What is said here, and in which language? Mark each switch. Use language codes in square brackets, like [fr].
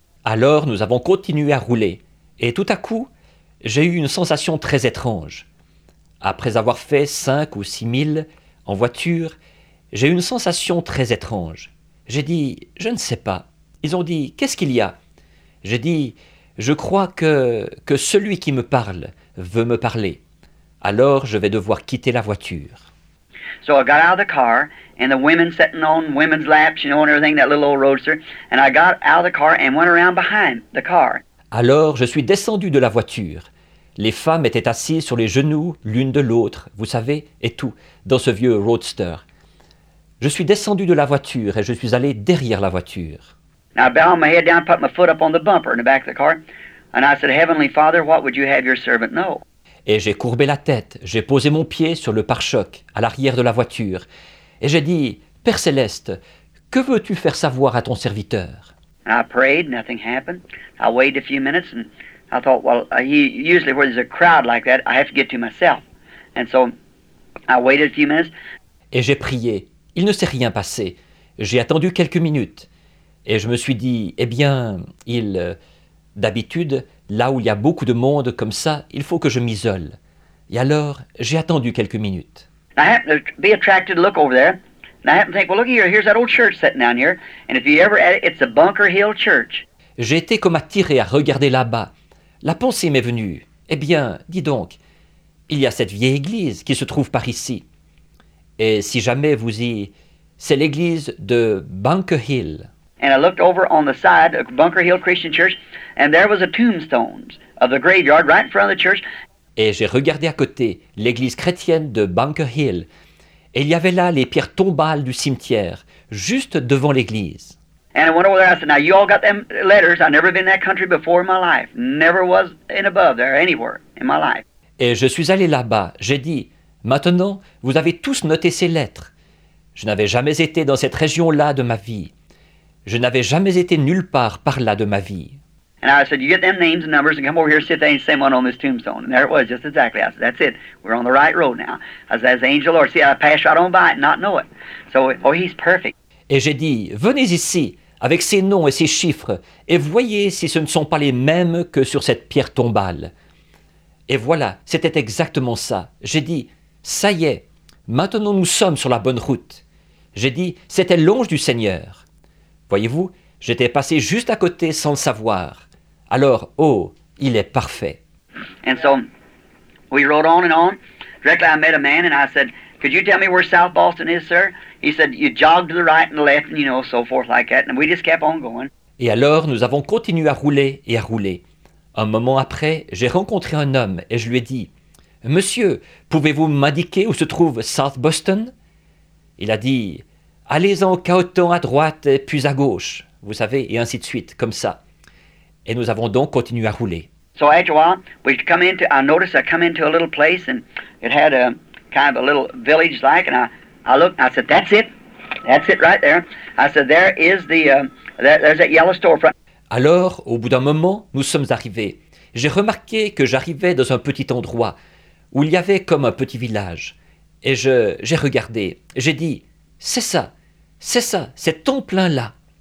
[fr] Alors, nous avons continué à rouler. Et tout à coup, j'ai eu une sensation très étrange. Après avoir fait 5 ou 6 milles en voiture, j'ai eu une sensation très étrange. J'ai dit, je ne sais pas. Ils ont dit, qu'est-ce qu'il y a? J'ai dit, je crois que celui qui me parle veut me parler. Alors, je vais devoir quitter la voiture. [en] So I got out of the car, and the women sitting on women's laps, you know, and everything, that little old roadster, and I got out of the car and went around behind the car. [fr] Alors, je suis descendu de la voiture. Les femmes étaient assises sur les genoux l'une de l'autre, vous savez, et tout, dans ce vieux roadster. Je suis descendu de la voiture et je suis allé derrière la voiture. [en] I bowed my head down, put my foot up on the bumper in the back of the car, and I said, Heavenly Father, what would you have your servant know? [fr] Et j'ai courbé la tête, j'ai posé mon pied sur le pare-choc à l'arrière de la voiture, et j'ai dit, Père Céleste, que veux-tu faire savoir à ton serviteur? [en] I prayed, nothing happened. I waited a few minutes and I thought, well, usually where there's a crowd like that, I have to get to myself. And so, I waited a few minutes. [fr] Et j'ai prié. Il ne s'est rien passé. J'ai attendu quelques minutes. Et je me suis dit, eh bien, d'habitude, là où il y a beaucoup de monde comme ça, il faut que je m'isole. Et alors, j'ai attendu quelques minutes. [en] I happened to be attracted to look over there. And I happened to think, well, look here, here's that old church sitting down here. And if you ever, it's a Bunker Hill Church. [fr] J'ai été comme attiré à regarder là-bas. La pensée m'est venue, eh bien, dis donc, il y a cette vieille église qui se trouve par ici. Et si jamais vous y... C'est l'église de Bunker Hill. [en] And I looked over on the side of Bunker Hill Christian Church, and there was a tombstone of the graveyard right in front of the church. [fr] Et j'ai regardé à côté l'église chrétienne de Bunker Hill. Et il y avait là les pierres tombales du cimetière, juste devant l'église. [en] And I went over there, I said, now you all got them letters. I've never been in that country before in my life. Never was in above there anywhere in my life. [fr] Et je suis allé là-bas. J'ai dit, maintenant, vous avez tous noté ces lettres. Je n'avais jamais été dans cette région-là de ma vie. Je n'avais jamais été nulle part par là de ma vie. [en] And I said, you get them names and numbers and come over here and sit there and same one on this tombstone. And there it was, just exactly. I said, that's it. We're on the right road now. I said, as the angel Lord, see, I passed right on by it and not know it. So, oh, he's perfect. [fr] Et j'ai dit, venez ici avec ces noms et ces chiffres et voyez si ce ne sont pas les mêmes que sur cette pierre tombale. Et voilà, c'était exactement ça. J'ai dit, ça y est, maintenant nous sommes sur la bonne route. J'ai dit, c'était l'ange du Seigneur. Voyez-vous, j'étais passé juste à côté sans le savoir. Alors, oh, il est parfait. [en] And so, we rode on and on. Directly I met a man and I said, could you tell me where South Boston is, sir? He said, you jog to the right and the left and you know, so forth like that. And we just kept on going. [fr] Et alors, nous avons continué à rouler et à rouler. Un moment après, j'ai rencontré un homme et je lui ai dit, « Monsieur, pouvez-vous m'indiquer où se trouve South Boston ?» Il a dit, « Allez-en cahotant à droite et puis à gauche, vous savez, et ainsi de suite, comme ça. » Et nous avons donc continué à rouler. [en] So after a while, we come into, I noticed I come into a little place and it had a kind of a little village-like and I looked and I said, that's it right there. I said, there is the, there's that yellow storefront. [fr] Alors, au bout d'un moment, nous sommes arrivés. J'ai remarqué que j'arrivais dans un petit endroit où il y avait comme un petit village. Et j'ai regardé. J'ai dit, c'est ça, c'est ton plein là.